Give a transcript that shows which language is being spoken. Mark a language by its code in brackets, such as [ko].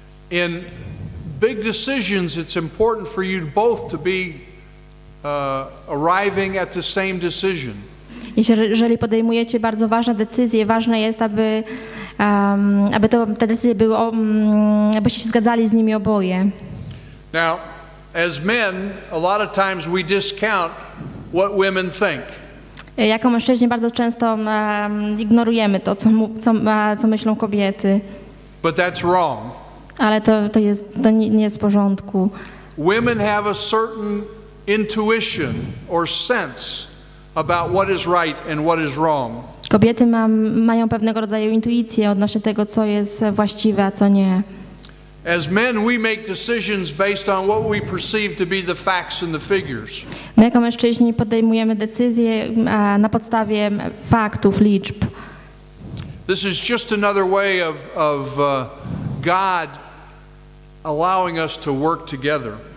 [en] In big decisions, it's important for you both to be arriving at the same decision. [pl] Jeżeli podejmujecie bardzo ważne decyzje, ważne jest, aby to te decyzje były, abyście się zgadzali z nimi oboje. [en] Now, as men, a lot of times we discount what women think. [pl] Jako mężczyźni bardzo często ignorujemy to, co myślą kobiety. [en] But that's wrong. [pl] Ale to nie jest w porządku. [en] Women have a certain intuition or sense about what is right and what is wrong. [pl] Kobiety mają pewnego rodzaju intuicję odnośnie tego, co jest właściwe, a co nie. [en] As men, we make decisions based on what we perceive to be the facts and the figures. [pl] My jako mężczyźni podejmujemy decyzje na podstawie faktów, liczb. [en] This is just another way of God allowing us to work together.